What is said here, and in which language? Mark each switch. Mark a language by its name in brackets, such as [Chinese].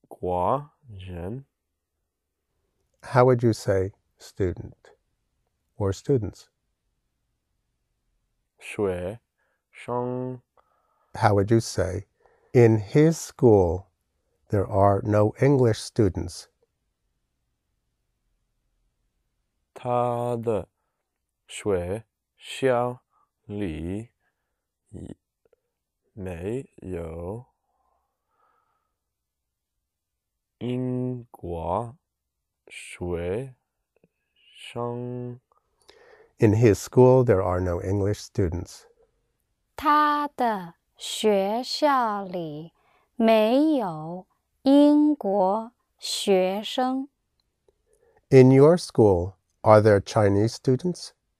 [English] How would you say student or students? [Chinese] 学生. [English] How would you say in his school there are no English students? [Chinese] 他的学校里没有 英国学生. [English] In his school, there are no English students. [Chinese] 他的学校里没有英国学生。 [English] In your school, are there Chinese students?